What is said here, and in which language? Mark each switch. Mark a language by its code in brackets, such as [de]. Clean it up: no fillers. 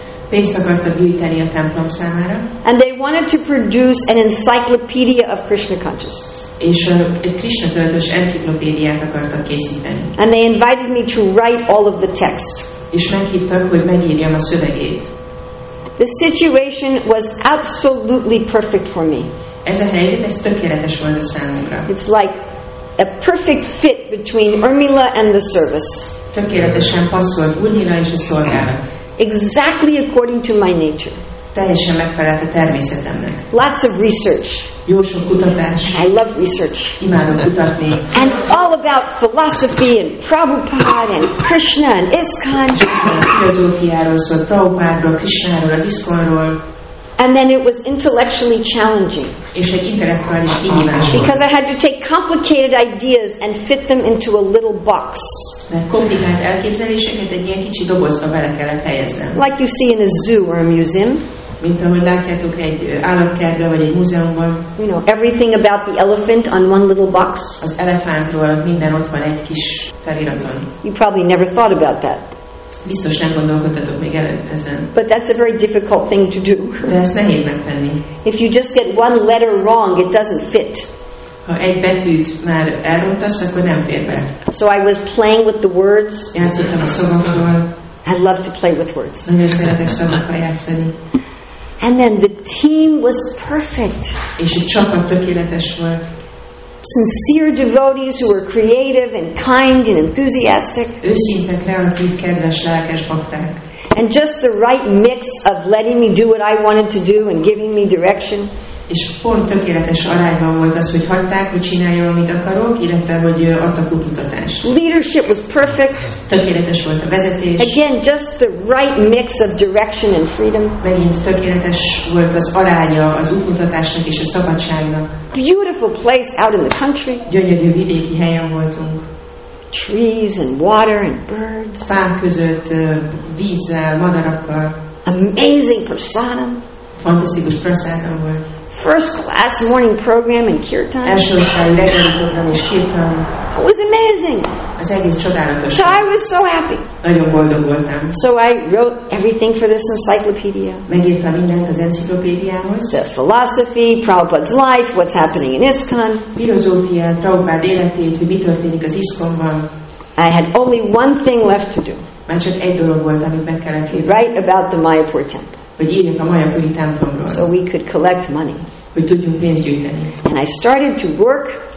[hu] Pénzt akartak gyűjteni a templom számára. [en] And they wanted to produce an encyclopedia of Krishna consciousness. [hu] És egy Krishna tudatos enciklopédiát akartak készíteni. [en] And they invited me to write all of the text. [hu] És meghívtak, hogy megírjam a szövegét. [en] The situation was absolutely perfect for me. [hu] Ez a helyzet, ez tökéletes volt a számomra. [en] It's like a perfect fit between Urmila and the service. [hu] Tökéletesen passzolt Urmila és a szolgálat. [en] Exactly according to my nature. [hu] Teljesen megfelelt a természetemnek. [en] Lots of research. [hu] Jó sok kutatás. [en] I love research. [hu] Imádom kutatni. [en] And all about philosophy and Prabhupada and Krishna and ISKCON. [hu] Filozófiáról szól, Prabhupádról, Krishnáról, az ISKCONról. [en] And then it was intellectually challenging. [hu] És egy intellektuális kihívás. [en] Because I had to take complicated ideas and fit them into a little box. [hu] Mert komplikált elképzeléseket egy ilyen kicsi dobozba bele kellett helyeznem. [en] Like you see in a zoo or a museum. [hu] Mint ahogy látjátok egy állatkertben vagy egy múzeumban. [en] You know, everything about the elephant on one little box. [hu] Az elefántról minden ott van egy kis feliraton. [en] You probably never thought about that. [hu] Biztos nem gondolkodtatok még ezen. [en] But that's a very difficult thing to do. [hu] De ezt nehéz megtenni. [en] If you just get one letter wrong, it doesn't fit. [hu] Ha egy betűt már elrontasz, akkor nem fér be. [en] So I was playing with the words. [hu] Játszottam a szavakkal. [en] I love to play with words. [hu] Nagyon szeretek szavakkal játszani. [en] And then the team was perfect. [hu] És a csapat tökéletes volt. [en] Sincere devotees who were creative and kind and enthusiastic. [hu] Őszinte, kreatív, kedves, lelkes bakták. [en] And just the right mix of letting me do what I wanted to do and giving me direction. [hu] És pont tökéletes arányban volt az, hogy hagyták, hogy csináljam, amit akarok, illetve hogy adtak útmutatást. [en] Leadership was perfect. [hu] Tökéletes volt a vezetés. [en] Again, just the right mix of direction and freedom. [hu] Megint tökéletes volt az aránya az útmutatásnak és a szabadságnak. [en] Beautiful place out in the country. [hu] Gyönyörű vidéki helyen voltunk. [en] Trees and water and birds. [hu] Fák között, vízzel, madarakkal. [en] Amazing prasadam. [hu] Fantasztikus prasadam volt. [en] First class morning program in kirtan. [hu] Első osztályi reggeli program és kirtan. [en] It was amazing. [hu] Az egész csodálatos. [en] So I was so happy. [hu] Nagyon boldog voltam. [en] So I wrote everything for this encyclopedia. [hu] Megírtam mindent az enciklopédiához. [en] The philosophy, Prabhupada's life, what's happening in ISKCON. [hu] Filozófia, Prabhupada életét, hogy mi történik az ISKCON-ban. [en] I had only one thing left to do. [hu] Már csak egy dolog volt, amit meg kellett írni. [en] Write about the Mayapur temple. [hu] Hogy írjunk a Mayapuri templomról. [en] So we could collect money. [hu] Hogy tudjunk pénzt gyűjteni. [en] And I started to work.